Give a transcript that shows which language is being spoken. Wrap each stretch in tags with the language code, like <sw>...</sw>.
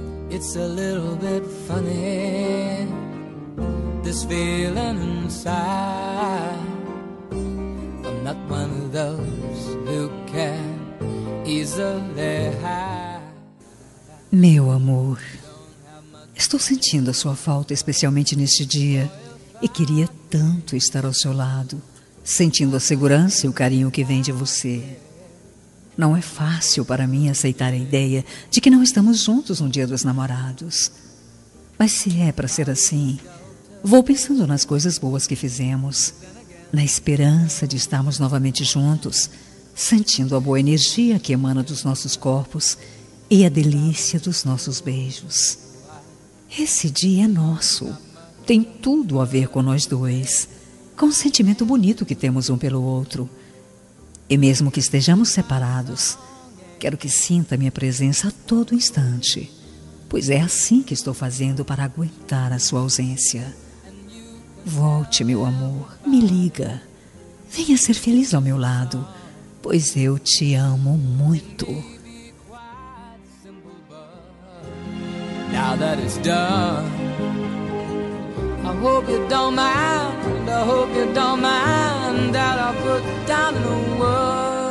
<en>It's a little bit funny, this feeling inside. I'm not one of those who can easily hide.</en> <pt>Meu amor, estou sentindo a sua falta, especialmente neste dia, e queria tanto estar ao seu lado, sentindo a segurança e o carinho que vem de você. Não é fácil para mim aceitar a ideia de que não estamos juntos no Dia dos Namorados. Mas se é para ser assim, vou pensando nas coisas boas que fizemos, na esperança de estarmos novamente juntos, sentindo a boa energia que emana dos nossos corpos e a delícia dos nossos beijos. Esse dia é nosso. Tem tudo a ver com nós dois, com o sentimento bonito que temos um pelo outro. E mesmo que estejamos separados, quero que sinta minha presença a todo instante, pois é assim que estou fazendo para aguentar a sua ausência. Volte, meu amor, me liga. Venha ser feliz ao meu lado, pois eu te amo muito.</pt> <en>Now that it's done, I hope you don't mind, I hope you don't mind that I put down in the world.</en>